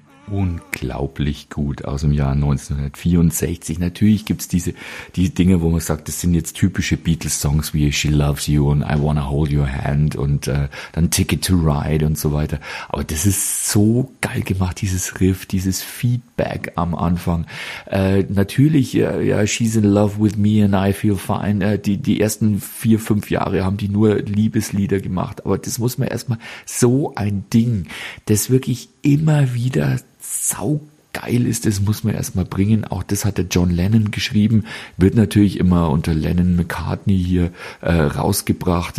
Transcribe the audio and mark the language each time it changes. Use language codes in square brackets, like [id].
[de] unglaublich gut aus dem Jahr 1964. Natürlich gibt's die Dinge, wo man sagt, das sind jetzt typische Beatles-Songs wie She Loves You und I Wanna Hold Your Hand und dann Ticket to Ride und so weiter. Aber das ist so geil gemacht, dieses Riff, dieses Feedback am Anfang. [en] She's in love with me and I feel fine. [de] Die ersten 4-5 Jahre haben die nur Liebeslieder gemacht. Aber das muss man erstmal, so ein Ding, das wirklich immer wieder saugeil ist, das muss man erstmal bringen. Auch das hat der John Lennon geschrieben, wird natürlich immer unter Lennon McCartney hier rausgebracht.